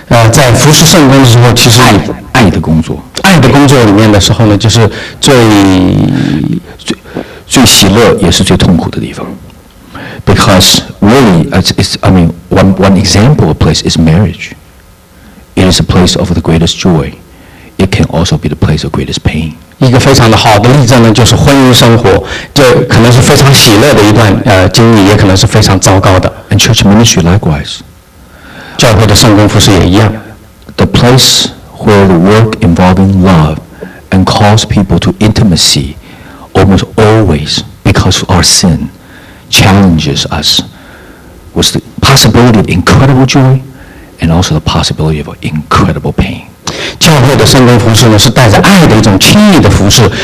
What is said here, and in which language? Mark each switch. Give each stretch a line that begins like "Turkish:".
Chinese: 在服事圣工的时候，其实爱的工作。爱的工作里面的时候呢，就是最喜乐也是最痛苦的地方。
English: Because really, one example of place is marriage. It is a place of the greatest joy. it can also be the place of greatest pain.
Chinese: 一个非常的好的例证呢，就是婚姻生活，就可能是非常喜乐的一段经历，也可能是非常糟糕的。
English: And church ministry likewise.
Chinese: 教会的圣工服事也一样。
English: The place where the work involving love and calls people to intimacy almost always because of our sin challenges us with the possibility of incredible joy and also the possibility of incredible pain.
Chinese: 教会的圣工服事呢，是带着爱的一种轻易的服事。